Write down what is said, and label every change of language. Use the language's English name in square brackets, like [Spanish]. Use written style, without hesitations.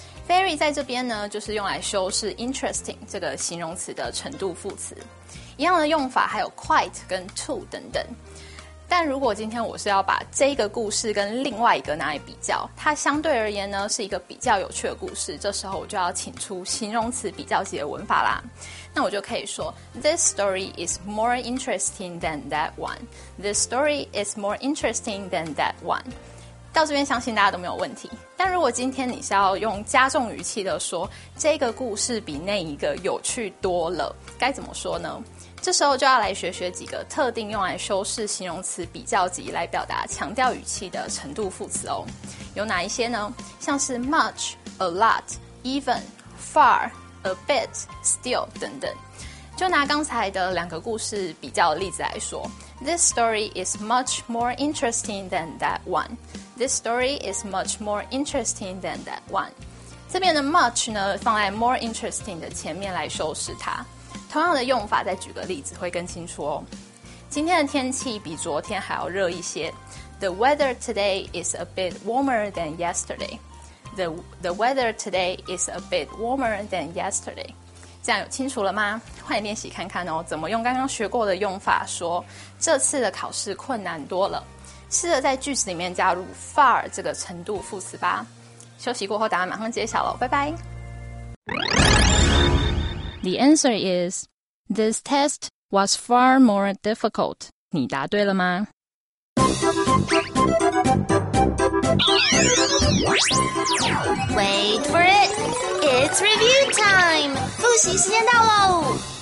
[Chinese] Very 在这边呢，就是用来修饰 interesting 这个形容词的程度副词。一样的用法还有 quite 跟 to 等等。但如果今天我是要把这个故事跟另外一个拿来比较，它相对而言呢是一个比较有趣的故事，这时候我就要请出形容词比较级的文法啦。那我就可以说 [English] This story is more interesting than that one. This story is more interesting than that one. [Chinese] 到这边相信大家都没有问题。但如果今天你是要用加重语气的说这个故事比那一个有趣多了，该怎么说呢？这时候就要来学学几个特定用来修饰形容词比较级来表达强调语气的程度副词哦。有哪一些呢？像是 much, a lot, even, far, a bit, still 等等。就拿刚才的两个故事比较的例子来说 [English] This story is much more interesting than that one. This story is much more interesting than that one. [Chinese] 这边的 much 呢放在 more interesting 的前面来修饰它。同样的用法再举个例子会更清楚哦。今天的天气比昨天还要热一些。 [English] The weather today is a bit warmer than yesterday. The weather today is a bit warmer than yesterday. [Chinese] 这样有清楚了吗？欢迎练习看看哦，怎么用刚刚学过的用法说这次的考试困难多了。试着在句子里面加入 far 这个程度副词吧。休息过后答案马上揭晓了，拜拜。 [English] The answer is, this test was far more difficult. [Chinese] 你答对了吗？ [English] Wait for it! It's review time! [Chinese] 复习时间到喽！